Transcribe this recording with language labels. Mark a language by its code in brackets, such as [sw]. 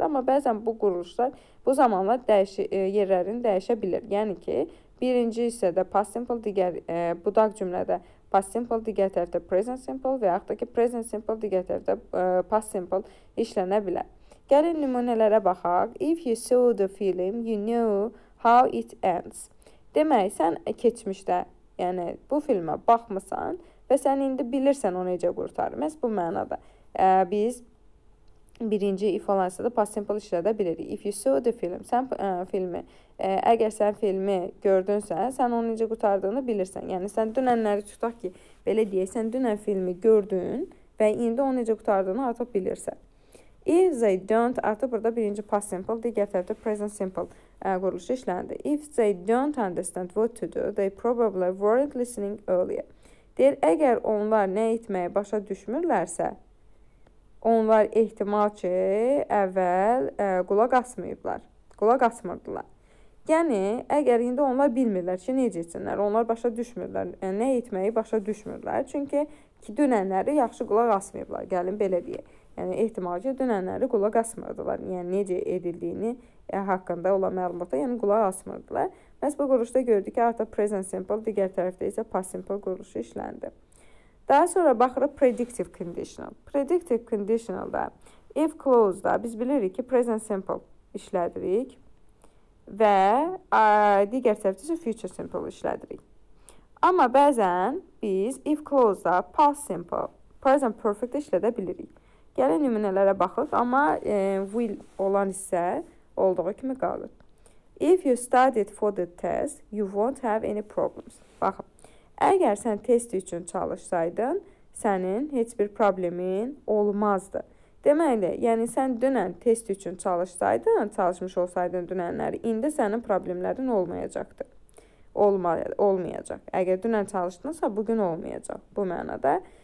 [az] Amma bəzən bu quruluşlar bu zamanlar yerlərini dəyişə bilir. Yəni ki, birinci hissədə past simple, digər budaq cümlədə past simple, digər tərəfdə present simple və yaxud da ki, present simple, digər tərəfdə past simple işlənə bilər. Gəlin nümunələrə baxaq. [en] If you saw the film, you know how it ends. [az] Demək, sən keçmişdə, yəni bu filmə baxmasan və sən indi bilirsən onu necə qurtarır. Məhz bu mənada biz birinci if olansa da past simple işlədə bilirik. [en] If you saw the film, [az] sən filmi, əgər sən filmi gördünsə, sən onu necə qurtardığını bilirsən. Yəni sən dünənləri tutaq ki, belə deyək, sən dünən filmi gördün və indi onu necə qurtardığını artıq bilirsən. [en] If they don't, [az] artıq burada birinci past simple, digər tərəfdə present simple quruluşu işləndi. [en] If they don't understand what to do, they probably weren't listening earlier. [az] Deyir, əgər onlar nə etməyə başa düşmürlərsə, onlar ehtimal ki, əvvəl qulaq asmayıblar, qulaq asmırdılar. Yəni, əgər indi onlar bilmirlər ki, necə etsinlər, onlar başa düşmürlər, nə etməyi başa düşmürlər. Çünki dünənləri yaxşı qulaq asmayıblar, gəlin belə deyək. Yəni, ehtimal ki, dünənləri qulaq asmırdılar. Yəni, necə edildiyini haqqında olan məlumatda, yəni qulaq asmırdılar. Məhz bu quruluşda gördük ki, artıq present simple, digər tərəfdə isə past simple quruluşu işləndi. Daha sonra baxırıq predictive conditional. Predictive conditionalda, if closed-da biz bilirik ki, present simple işlədirik və digər tərəfdə isə future simple işlədirik. Amma bəzən biz if closed-da past simple, present perfect işlədə bilirik. Gəlin nümunələrə baxırıq, amma will olan hissə olduğu kimi qalır. [en] If you studied for the test, you won't have any problems. [az] Baxın, əgər sən test üçün çalışsaydın, sənin heç bir problemin olmazdı. Deməli, yəni sən dünən test üçün çalışsaydın, çalışmış olsaydın dünənləri, indi sənin problemlərin olmayacaqdı. Olmayacaq. Əgər dünən çalışdınsa, bugün olmayacaq bu mənada.